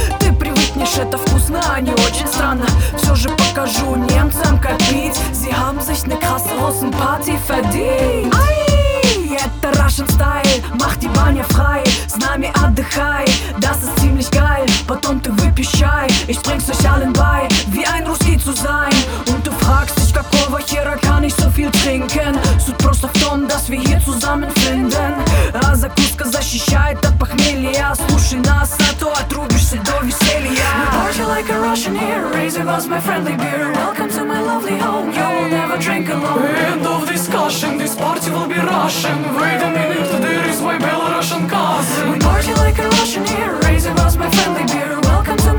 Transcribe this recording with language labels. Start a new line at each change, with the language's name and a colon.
Russian: Ты привыкнешь, это вкусно, а не очень странно. Все же покажу немцам, как пить.
German: Sie haben sich ne krasse Russenparty verdient.
Russian: Ай, это
English: Russian Style.
German: Mach die Bahne frei.
Russian: С нами отдыхай.
German: Das ist ziemlich geil.
Russian: Потом ты выпьешь чай.
German: Ich bring's euch allen bei. Wie ein Russi zu sein. Und du fragst dich,
Russian: какого хера
German: kann ich so viel trinken.
Russian: Суть просто в том,
German: dass wir hier zusammen finden.
Russian: А закуска защищает от похмелья. Слушай нас, а то отрубишься до веселья.
English: We party like a Russian here. Raise your glass, my friendly beer. Welcome to my lovely home. You will never drink alone. End of discussion, this party will be Russian. Wait a minute, there is my Belarusian cousin. We party like a Russian here. Raise your glass, my friendly beer. Welcome.